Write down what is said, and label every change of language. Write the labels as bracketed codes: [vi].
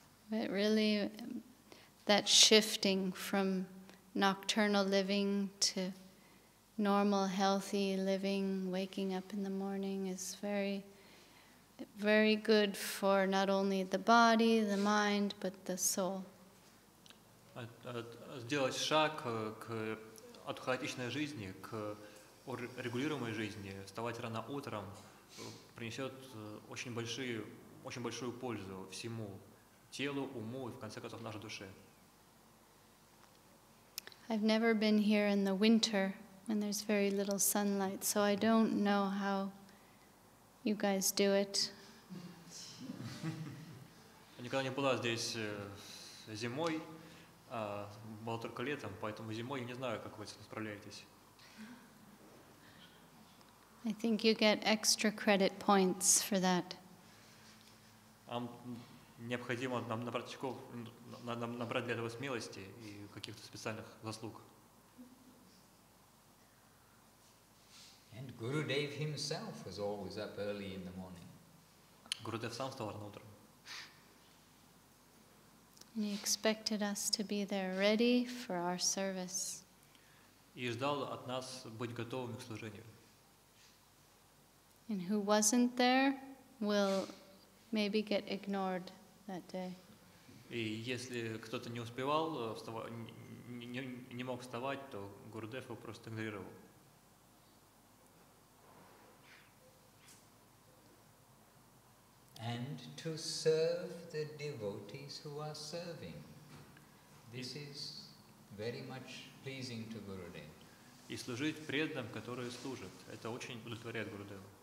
[en] But really, that shifting from nocturnal living to normal, healthy living, waking up in the morning is very, very good for not only the body, the mind, but the soul. [ru] Сделать шаг к от хаотичной жизни к регулируемой жизни, вставать рано утром, принесет очень большую пользу всему телу, уму и в конце концов нашей душе. [en] I've never been here in the winter when there's very little sunlight, so I don't know how you guys do it. [ru] Я никогда не была здесь зимой, была только летом, поэтому зимой я не знаю, как вы с этим справляетесь. [en] I think you get extra credit points for that. [ru] Вам необходимо набрать очков, набрать для этого смелости и каких-то специальных заслуг. [en] And Gurudev himself was always up early in the morning. [ru] Гурудев сам вставал рано утром. [en] He expected us to be there ready for our service. [ru] И ждал от нас быть готовыми к служению. [en] And who wasn't there will maybe get ignored that day. [ru] И если кто-то не успевал, не мог вставать, то Гурудев его просто игнорировал. [en] And to serve the devotees who are serving, this is very much pleasing to Gurudev. [ru] И служить преданным, которые служат, это очень удовлетворяет Гурудева.